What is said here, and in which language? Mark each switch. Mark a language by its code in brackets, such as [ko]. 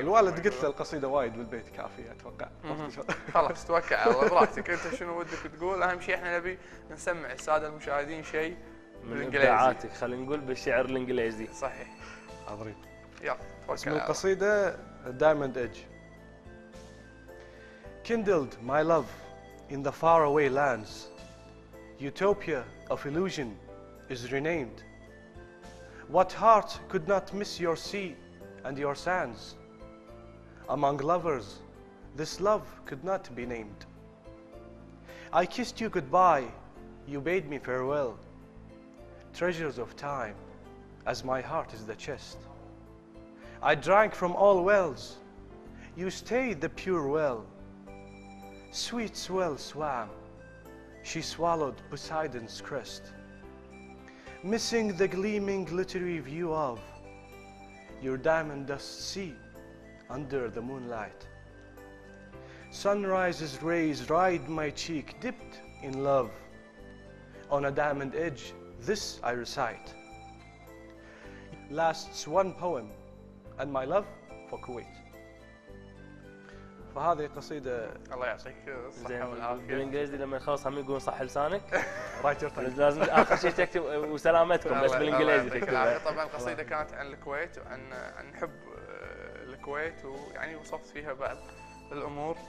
[ar] الوالد قلت له القصيدة وايد بالبيت كافية أتوقع. خلاص توكل على براحتك، أنت شنو ودك تقول؟ أهم شيء إحنا نبي نسمع السادة المشاهدين شيء من إبداعاتك، خلينا نقول بالشعر الإنجليزي. صحيح. عظيم. يلا اسم القصيدة Diamond Edge. [en] Kindled my love in the faraway lands. Utopia of illusion is renamed. What heart could not miss your sea and your sands? Among lovers, this love could not be named. I kissed you goodbye, you bade me farewell. Treasures of time, as my heart is the chest. I drank from all wells, you stayed the pure well. Sweet swell swam, she swallowed Poseidon's crest. Missing the gleaming glittery view of your diamond dust sea under the moonlight. Sunrise's rays ride my cheek dipped in love. On a diamond edge, this I recite. Lasts one poem and my love for Kuwait. [ar] فهذه قصيدة. الله يعطيك الصحة والعافية. بالانجليزي لما يخلص هم يقولون صح لسانك. [en] Writer time. [ar] لازم اخر شيء تكتب وسلامتكم بس بالانجليزي تكتب. طبعا القصيدة كانت عن الكويت وعن عن حب الكويت ويعني وصفت فيها بعض الامور.